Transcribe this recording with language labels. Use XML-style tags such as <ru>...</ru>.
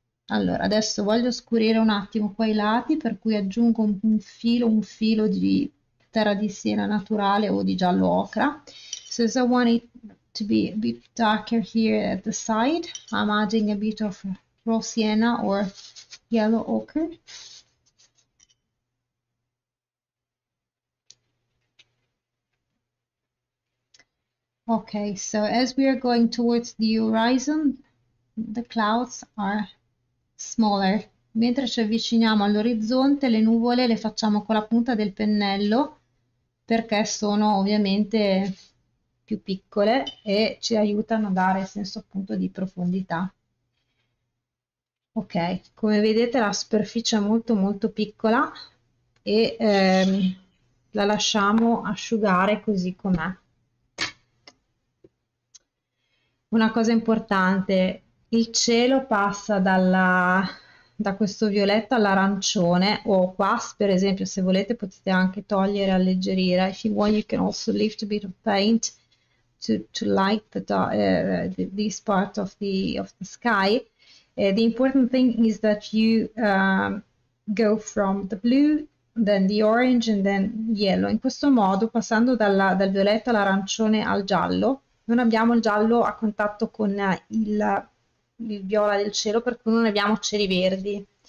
<it>Allora, adesso voglio scurire un attimo qua i lati, per cui aggiungo un filo di terra di siena naturale o di giallo ocra.</it> <en>So, I want it to be a bit darker here at the side. I'm adding a bit of raw sienna or yellow ochre. Okay, so as we are going towards the horizon, the clouds are smaller.</en> <it>Mentre ci avviciniamo all'orizzonte, le nuvole le facciamo con la punta del pennello perché sono ovviamente più piccole e ci aiutano a dare senso appunto di profondità. Ok, come vedete la superficie è molto molto piccola e la lasciamo asciugare così com'è. Una cosa importante, il cielo passa da questo violetto all'arancione o qua, per esempio, se volete potete anche togliere e alleggerire.</it> <en>If you want you can also lift a bit of paint to light this part of the sky. The important thing is that you go from the blue then the orange and then yellow.</en> <it>In questo modo, passando dal violetto all'arancione al giallo, non abbiamo il giallo a contatto con il viola del cielo, per cui non abbiamo ceri verdi.</it>